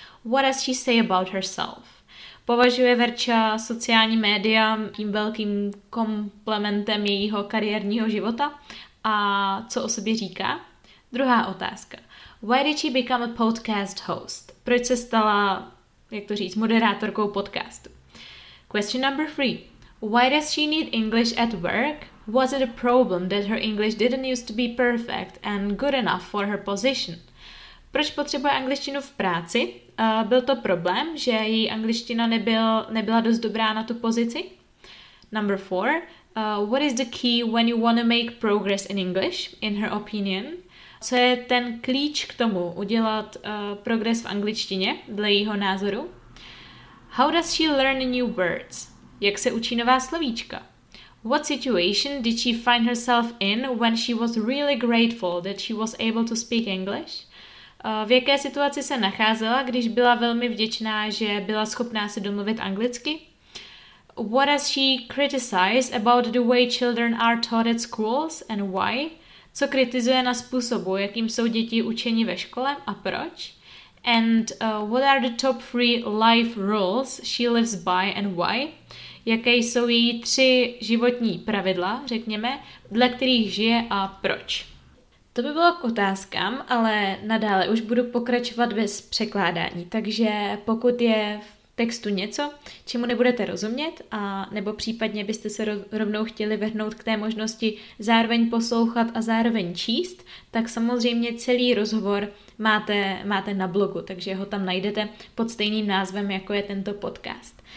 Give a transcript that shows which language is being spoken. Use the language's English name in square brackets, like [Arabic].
[English] What does she say about herself? [Czech] Považuje Verča sociální média tím velkým komplementem jejího kariérního života? A co o sobě říká? Druhá otázka. [English] Why did she become a podcast host? [Czech] Proč se stala, jak to říct, moderátorkou podcastu? [English] Question number 3. Why does she need English at work? Was it a problem that her English didn't used to be perfect and good enough for her position? [Czech] Proč potřebuje angličtinu v práci? Byl to problém, že její angličtina nebyla dost dobrá na tu pozici? [English] Number 4. What is the key when you want to make progress in English, in her opinion? [Czech] Co je ten klíč k tomu udělat progres v angličtině, dle jejího názoru? [English] How does she learn new words? [Czech] Jak se učí nová slovíčka? [English] What situation did she find herself in when she was really grateful that she was able to speak English? [Czech] V jaké situaci se nacházela, když byla velmi vděčná, že byla schopná se domluvit anglicky? [English] What does she criticize about the way children are taught at schools and why? [Czech] co kritizuje na způsobu, jakým jsou děti učeni ve škole a proč. [English] And what are the top three life rules she lives by and why? [Czech] Jaké jsou její tři životní pravidla, řekněme, dle kterých žije a proč? To by bylo k otázkám, ale nadále už budu pokračovat bez překládání, takže pokud je v textu něco, čemu nebudete rozumět, a nebo případně byste se rovnou chtěli vrhnout k té možnosti zároveň poslouchat a zároveň číst, tak samozřejmě celý rozhovor máte na blogu, takže ho tam najdete pod stejným názvem, jako je tento podcast.